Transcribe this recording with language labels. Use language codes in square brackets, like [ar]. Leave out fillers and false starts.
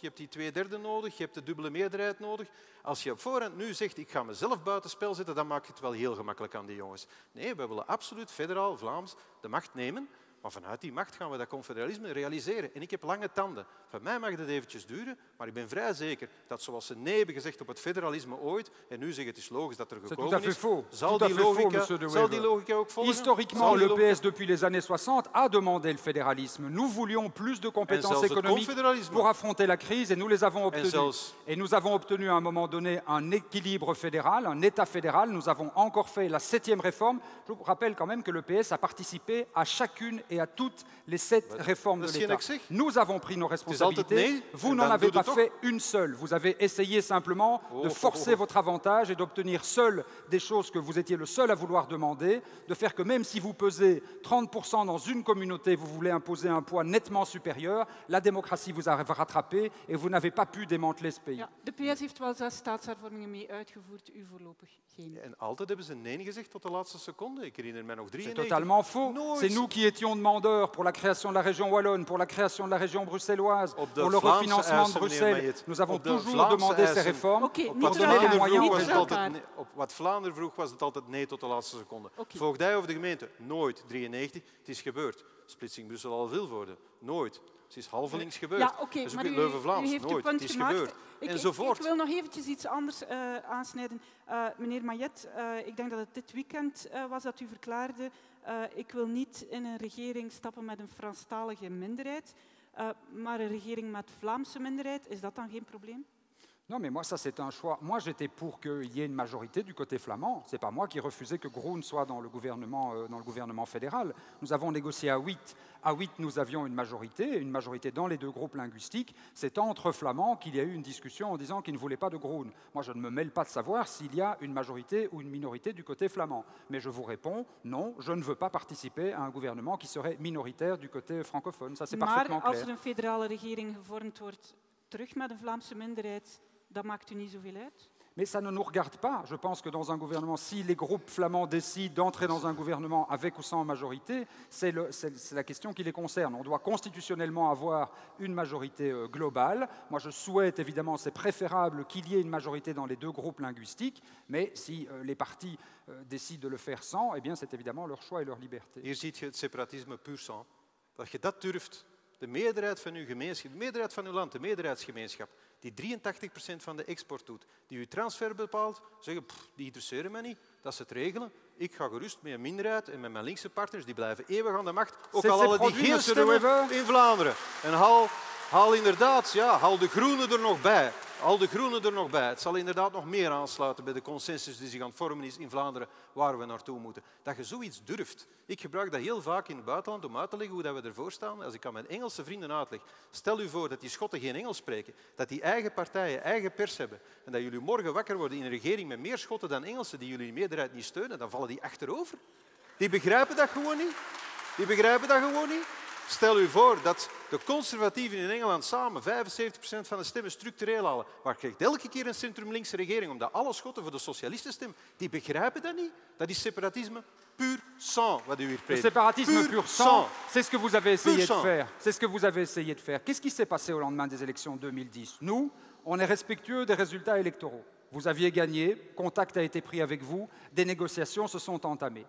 [nl] Je hebt die 2/3 nodig, je hebt de dubbele meerderheid nodig. Als je op voorhand nu zegt, ik ga mezelf buitenspel zetten, dan maak je het wel heel gemakkelijk aan die jongens. Nee, we willen absoluut federaal, Vlaams, de macht nemen. Maar vanuit die macht gaan we dat confederalisme realiseren. En ik heb lange tanden. Van mij mag dat eventjes duren, maar ik ben vrij zeker dat zoals ze nee hebben gezegd op het federalisme ooit, en nu zeggen het is logisch dat er gekomen dat is, [fr] faux. [nl] Zal, die logica, faux, de zal die logica ook volgen? [fr] Historiquement, le PS depuis les années 60 a demandé le fédéralisme. Nous voulions plus de compétences économiques pour affronter la crise et nous les avons obtenues. Et nous avons obtenu à un moment donné un équilibre fédéral, un État fédéral. Nous avons encore fait la 7e réforme. Je vous rappelle quand même que le PS a participé à chacune et à toutes les 7 réformes de l'État. Nous avons pris nos responsabilités. Vous n'en avez pas fait une seule. Vous avez essayé simplement de forcer votre avantage et d'obtenir seul des choses que vous étiez le seul à vouloir demander, de faire que même si vous pesez 30% dans une communauté, vous voulez imposer un poids nettement supérieur, la démocratie vous a rattrapé et vous n'avez pas pu démanteler ce pays. [nl] De PS heeft wel 6 staatshervormingen mee uitgevoerd, u voorlopig geen. En altijd hebben ze nee gezegd tot de laatste seconde. Ik herinner mij nog 3. [fr] C'est totalement faux. C'est nous qui étions demandeurs pour la création de la région Wallonne, pour la création de la région bruxelloise, pour le refinancement de Bruxelles. Nous avons toujours demandé ces réformes. [nl] Op wat Vlaanderen vroeg, was het altijd nee tot de laatste seconde. Okay. Voogdij of de gemeente? Nooit. 93, het is gebeurd. Splitsing Brussel al veel worden. Nooit. Het is halvelings gebeurd. Ja, okay, dus Leuven-Vlaams, nooit. Het is gemaakt. Gebeurd. Ik wil nog eventjes iets anders aansnijden. Meneer Mayet, ik denk dat het dit weekend was dat u verklaarde. Ik wil niet in een regering stappen met een Franstalige minderheid. Maar een regering met Vlaamse minderheid, is dat dan geen probleem? [fr] Non, mais moi, ça, c'est un choix. Moi, j'étais pour qu'il y ait une majorité du côté flamand. C'est pas moi qui refusais que Groen soit dans le gouvernement fédéral. Nous avons négocié à 8. À 8, nous avions une majorité dans les deux groupes linguistiques. C'est entre flamands qu'il y a eu une discussion en disant qu'ils ne voulaient pas de Groen. Moi, je ne me mêle pas de savoir s'il y a une majorité ou une minorité du côté flamand. Mais je vous réponds, non, je ne veux pas participer à un gouvernement qui serait minoritaire du côté francophone. Ça, c'est [nl] maar [fr] parfaitement clair. Mais si une [nl] fédérale régering gevormd wordt, terug met een Vlaamse minderheid, dat maakt u niet zoveel uit. [fr] Mais ça ne nous regarde pas. Je pense que dans un gouvernement, si les groupes flamands décident d'entrer dans un gouvernement avec ou sans majorité, c'est la question qui les concerne. On doit constitutionnellement avoir une majorité globale. Moi, je souhaite, évidemment, c'est préférable qu'il y ait une majorité dans les deux groupes linguistiques, mais si les partis décident de le faire sans, eh bien, c'est évidemment leur choix et leur liberté. [nl] Hier ziet je het séparatisme pur sang. Dat je dat durft, de meerderheid van uw gemeenschap, de meerderheid van uw land, de meerderheidsgemeenschap, die 83% van de export doet, die uw transfer bepaalt, zeggen, die interesseren mij niet, dat ze het regelen. Ik ga gerust met een minderheid en met mijn linkse partners, die blijven eeuwig aan de macht, ook al alle die geen stemmen in Vlaanderen. En haal inderdaad, ja, haal de groenen er nog bij. Haal de groenen er nog bij. Het zal inderdaad nog meer aansluiten bij de consensus die zich aan het vormen is in Vlaanderen, waar we naartoe moeten. Dat je zoiets durft. Ik gebruik dat heel vaak in het buitenland om uit te leggen hoe dat we ervoor staan. Als ik aan mijn Engelse vrienden uitleg, stel u voor dat die Schotten geen Engels spreken, dat die eigen partijen, eigen pers hebben, en dat jullie morgen wakker worden in een regering met meer Schotten dan Engelsen die jullie meerderheid niet steunen, dan vallen die achterover. Die begrijpen dat gewoon niet. Die begrijpen dat gewoon niet. Stel u voor dat de conservatieven in Engeland samen 75% van de stemmen structureel halen. Maar krijgt elke keer een centrum-linkse regering omdat alle Schotten voor de socialisten stemmen. Die begrijpen dat niet. Dat is separatisme pur sang, wat u hier prédit. [fr] Separatisme pur sang, c'est ce que vous avez essayé de faire. C'est ce que vous avez essayé de faire. Qu'est-ce qui s'est passé au lendemain des élections 2010? Nous, on est respectueux des résultats électoraux. Vous aviez gagné, contact a été pris avec vous, des négociations se sont entamées.